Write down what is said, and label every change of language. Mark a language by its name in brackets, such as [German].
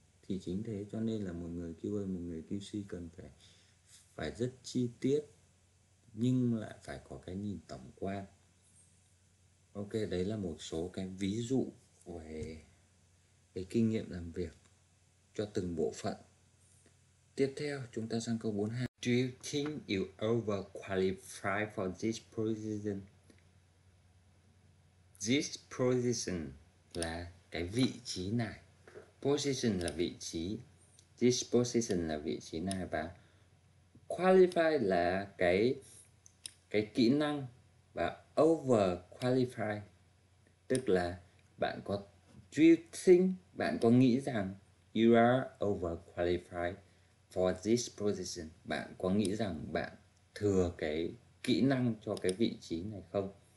[Vietnamese] Thì chính thế cho nên là một người QA, một người QC cần phải phải rất chi tiết nhưng lại phải có cái nhìn tổng quan. Ok, đấy là một số cái ví dụ về cái kinh nghiệm làm việc cho từng bộ phận. Tiếp theo chúng ta sang câu 42. [English] Do you think you overqualified for this position? [Vietnamese] This position là cái vị trí này. Position là vị trí. This position là vị trí này. Và qualify là cái kỹ năng. Và overqualify tức là bạn có, [English] do you think, [Vietnamese] bạn có nghĩ rằng [English] you are overqualified for this position, [Vietnamese] bạn có nghĩ rằng bạn thừa cái kỹ năng cho cái vị trí này không?